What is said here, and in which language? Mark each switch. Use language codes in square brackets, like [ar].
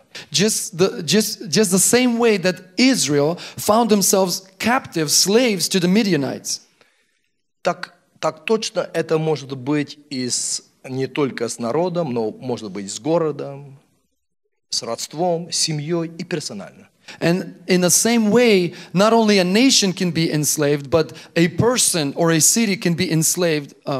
[en] Just the same way that Israel found themselves captive, slaves to the Midianites. [ru] Так точно это может быть из не только с народом, но может быть с городом, с родством, с семьей и персонально. [en] And in the same way, not only a nation can be enslaved, but a person or a city can be enslaved.